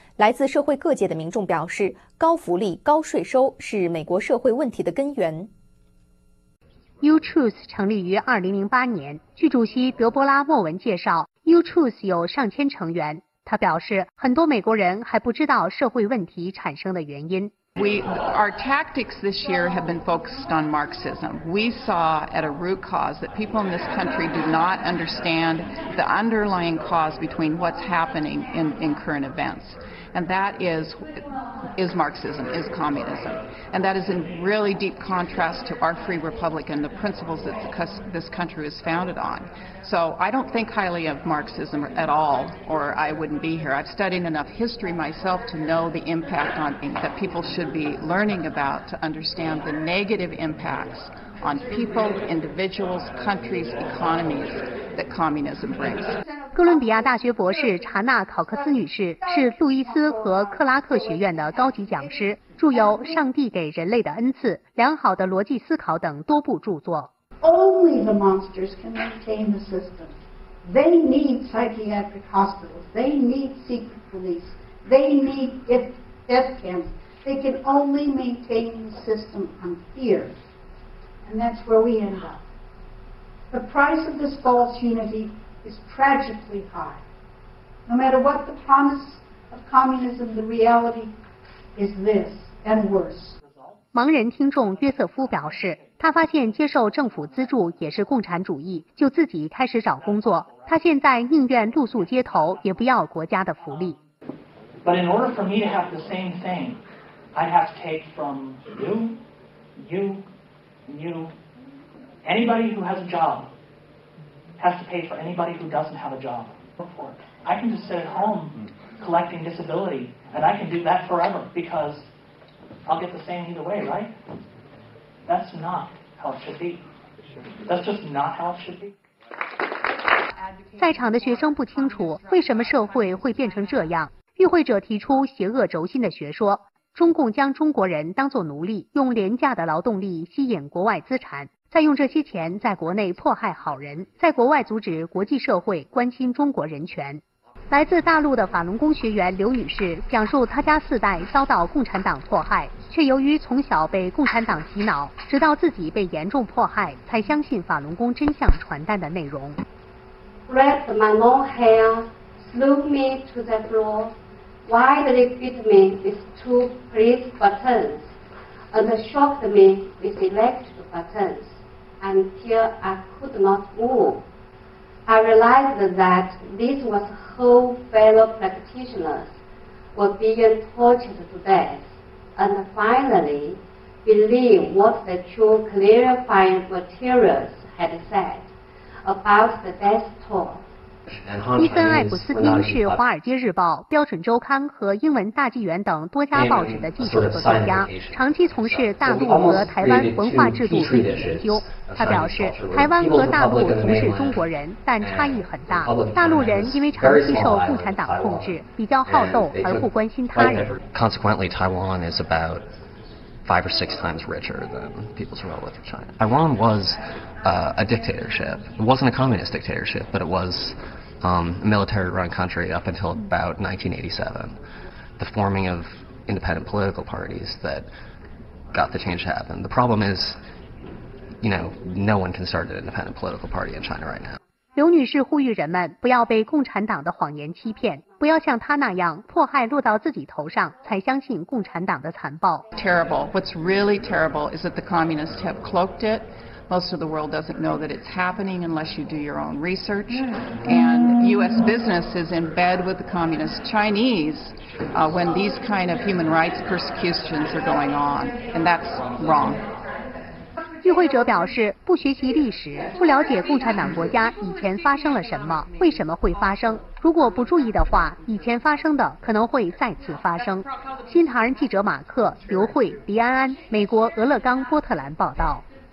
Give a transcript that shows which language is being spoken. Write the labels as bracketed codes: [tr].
[zh] 来自社会各界的民众表示，高福利、高税收是美国社会问题的根源。 U-Truth 成立于2008年，据主席德波拉·莫文介绍 ，U-Truth 有上千成员。他表示，很多美国人还不知道社会问题产生的原因。 [en] Our tactics this year have been focused on Marxism. We saw at a root cause that people in this country do not understand the underlying cause between what's happening in current events. And that is Marxism, is communism. And that is in really deep contrast to our free republic and the principles that this country is founded on. So I don't think highly of Marxism at all, or I wouldn't be here. I've studied enough history myself to know the impact on things that people should be learning about to understand the negative impacts on people, individuals, countries, economies that communism brings. [zh] 哥伦比亚大学博士查纳·考克斯女士是路易斯和克拉克学院的高级讲师，著有《上帝给人类的恩赐》《良好的逻辑思考》等多部著作。 [en] Only the monsters can maintain the system. They need psychiatric hospitals. They need secret police. They need death camps. They can only maintain the system on fear. And that's where we end up. The price of this false unity. Is tragically high. No matter what the promise of communism, the reality is this and worse. [zh] 盲人听众约瑟夫表示，他发现接受政府资助也是共产主义，就自己开始找工作。他现在宁愿露宿街头，也不要国家的福利。 [en] But in order for me to have the same thing, I have to take from you, you, you, Anybody who has a job has to pay for anybody who doesn't have a job. I can just sit at home collecting disability, and I can do that forever because I'll get the same either way, right? That's not how it should be. That's just not how it should be. [zh] 在场的学生不清楚为什么社会会变成这样。与会者提出邪恶轴心的学说，中共将中国人当作奴隶，用廉价的劳动力吸引国外资产，再用这些钱在国内迫害好人，在国外阻止国际社会关心中国人权。来自大陆的法轮功学员刘女士讲述她家四代遭到共产党迫害，却由于从小被共产党洗脑，直到自己被严重迫害才相信法轮功真相传单的内容。 [en] Grabbed my long hair, slew me to the floor, widely beat me with two police batons, and shocked me with electric batons until I could not move. I realized that this was how fellow practitioners were being tortured to death, and finally believed what the two clarifying materials had said. [zh] 伊森·艾普斯汀是《华尔街日报》、《标准周刊》和《英文大纪元》等多家报纸的记者和作家，长期从事大陆和台湾文化制度对比研究。他表示，台湾和大陆同是中国人，但差异很大。大陆人因为长期受共产党控制，比较好斗而不关心他人。 [en] Consequently, Taiwan is about five or six times richer than people's relative China. Taiwan was a dictatorship. It wasn't a communist dictatorship, but it was a military-run country up until about 1987. The forming of independent political parties that got the change to happen. The problem is, you know, no one can start an independent political party in China right now. [zh] 刘女士呼吁人们不要被共产党的谎言欺骗，不要像她那样迫害落到自己头上才相信共产党的残暴。 [en] Terrible. What's really terrible is that the communists have cloaked it. Most of the world doesn't know that it's happening unless you do your own research. And U.S. business is in bed with the communist Chinese when these kind of human rights persecutions are going on, and that's wrong. [zh] 与会者表示，不学习历史，不了解共产党国家以前发生了什么，为什么会发生，如果不注意的话，以前发生的可能会再次发生。新唐人记者马克、刘慧、黎安安，美国俄勒冈波特兰报道。